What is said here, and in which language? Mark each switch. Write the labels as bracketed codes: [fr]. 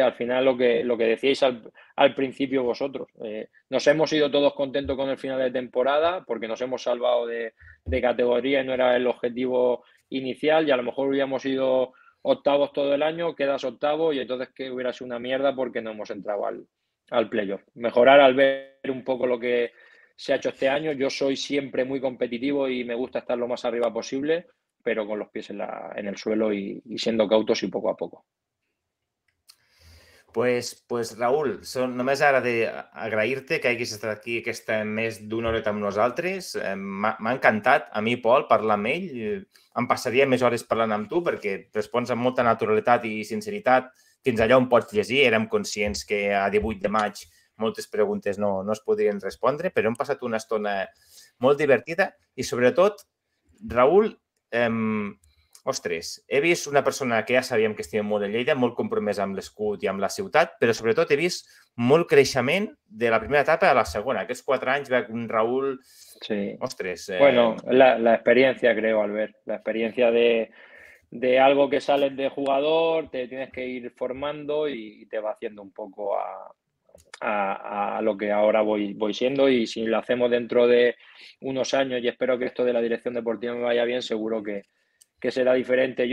[es] Al final lo que decíais al principio vosotros, nos hemos ido todos contentos con el final de temporada porque nos hemos salvado de categoría y no era el objetivo inicial y a lo mejor hubiéramos ido octavos todo el año, quedas octavo y entonces que hubiera sido una mierda porque no hemos entrado al playoff. Mejorar al ver un poco lo que se ha hecho este año. Yo soy siempre muy competitivo y me gusta estar lo más arriba posible, pero con los pies en el suelo y siendo cautos y poco a poco. [ca] Pues Raúl, només ara d'agrair-te que hagis estat aquí aquesta més d'una horeta amb nosaltres. M'ha encantat, a mi, Pol, parlar amb ell. Em passaria més hores parlant amb tu perquè respons amb molta naturalitat i sinceritat fins allà on pots llegir. Érem conscients que a 18 de maig moltes preguntes no es podrien respondre, però hem passat una estona molt divertida i, sobretot, Raúl, ostres, he vist una persona que ja sabíem que estimem molt a Lleida, molt compromès amb l'escut i amb la ciutat, però sobretot he vist molt creixement de la primera etapa a la segona. Aquests 4 anys veig un Raúl, [es] Sí, [ca] ostres. [es] bueno, la experiencia creo, Albert, la experiencia de algo que sales de jugador, te tienes que ir formando y te va haciendo un poco a lo que ahora voy siendo y si lo hacemos dentro de unos años y espero que esto de la dirección deportiva me vaya bien, seguro que será diferente.